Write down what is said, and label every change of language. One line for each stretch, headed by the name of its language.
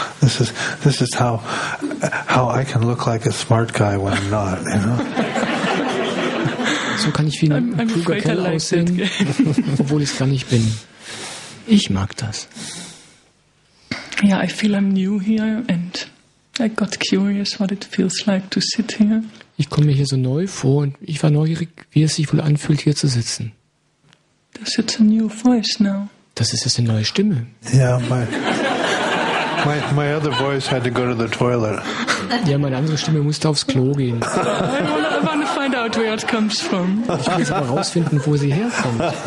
English: This is how I can look like a smart guy when I'm not, you know?
German: So kann ich wie ein kluger Kerl aussehen, obwohl ich es gar nicht bin. Ich mag das.
English: Yeah, I feel I'm new here and I got curious what it feels like to sit here.
German: Ich komme mir hier so neu vor und ich war neugierig, wie es sich wohl anfühlt, hier zu sitzen.
English: That's it's a new voice now.
German: Das ist jetzt eine neue Stimme.
English: Yeah, my other voice had to go to the toilet.
German: Ja, meine andere Stimme musste aufs Klo gehen.
English: I want to find out where it comes from.
German: Ich will jetzt aber rausfinden, wo sie herkommt.